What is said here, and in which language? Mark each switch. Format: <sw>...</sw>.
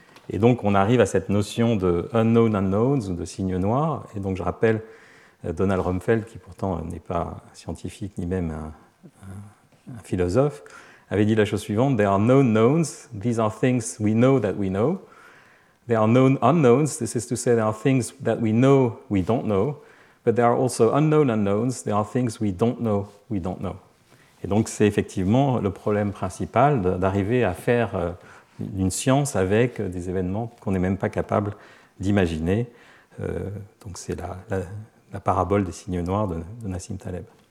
<fr>Et donc on arrive à cette notion de « unknown unknowns » ou de « signe noir ». Et donc je rappelle Donald Rumsfeld, qui pourtant n'est pas scientifique ni même un philosophe, avait dit la chose suivante «</fr> <en>There are known knowns, these are things we know that we know. There are known unknowns, this is to say there are things that we know we don't know. But there are also unknown unknowns, there are things we don't know we don't know.</en> <fr>» Et donc c'est effectivement le problème principal d'arriver à faire une science avec des événements qu'on n'est même pas capable d'imaginer. Donc c'est la parabole des signes noirs de Nassim Taleb.</fr>